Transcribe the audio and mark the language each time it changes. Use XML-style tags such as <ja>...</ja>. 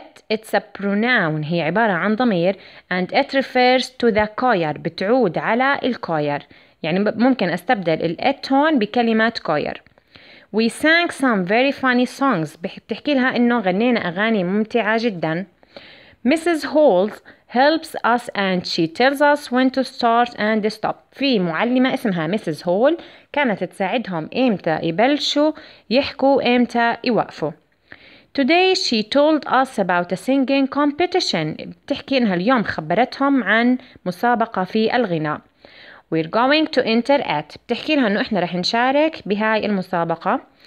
<en>It's a pronoun،</en> <ar>هي عبارة عن ضمير.</ar> <en>And it refers to the choir،</en> <ar>بتعود على الكوير. يعني ممكن أستبدل الـ it هون بكلمة choir.</ar> <en>We sang some very funny songs،</en> <ar>بتحكي لها إنه غنينا أغاني ممتعة جدا.</ar> <en>Mrs. Holes helps us and she tells us when to start and stop.</en> <ar>في معلمة اسمها Mrs. Hole كانت تساعدهم إمتى يبلشوا يحكوا إمتى يوقفوا.</ar> <en>Today she told us about a singing competition،</en> <ar>بتحكي إنها اليوم خبرتهم عن مسابقة في الغناء.</ar> <en>We're going to enter at،</en> <ar>بتحكي لها إنه إحنا رح نشارك بهاي المسابقة.</ar>